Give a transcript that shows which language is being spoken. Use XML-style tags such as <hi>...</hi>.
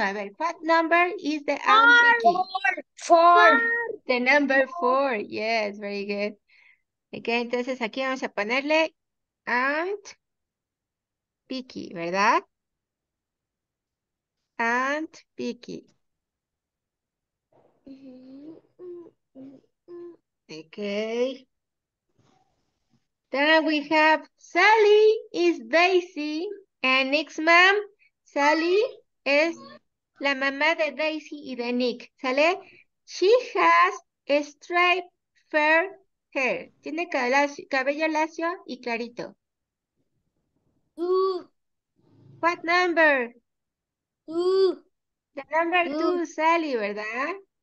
<es>A ver,</es> <en>what number is the Aunt Vicky? Four. The number four. Yes, very good.</en> <es>Ok, entonces aquí vamos a ponerle Aunt Vicky, ¿verdad?</es> <en>Aunt Vicky. Okay. Then we have Sally is Daisy and Nick's mom.</en> <es>Sally es la mamá de Daisy y de Nick, ¿sale?</es> <en>She has straight fair hair.</en> <es>Tiene cabello lacio y clarito.</es> <en>What number? The number two, Sally, ¿verdad?</en>